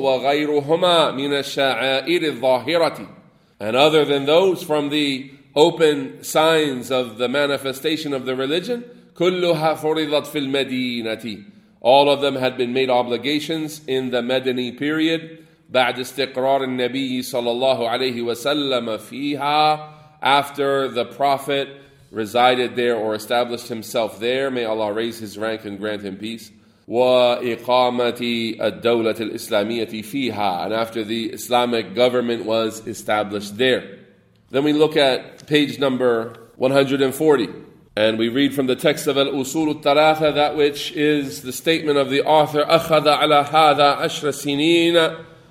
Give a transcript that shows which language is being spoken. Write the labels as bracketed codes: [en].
[ar] وَغَيْرُهُمَا مِنَ الشَّعَائِرِ الظَّاهِرَةِ. [en] And other than those from the open signs of the manifestation of the religion, [ar] كُلُّهَا فُرِضَتْ فِي الْمَدِينَةِ. [en] All of them had been made obligations in the Madani period. [ar] بعد استقرار النبي صلى الله عليه وسلم فيها. [en] After the Prophet resided there or established himself there, may Allah raise his rank and grant him peace. [ar] وَإِقَامَةِ الدَّوْلَةِ الْإِسْلَامِيَةِ فِيهَا. [en] And after the Islamic government was established there. Then we look at page number 140. And we read from the text of Al-Usul al-Talatha, that which is the statement of the author, [ar] أَخَذَ عَلَى هَذَا عَشْرَ سِنِينَ.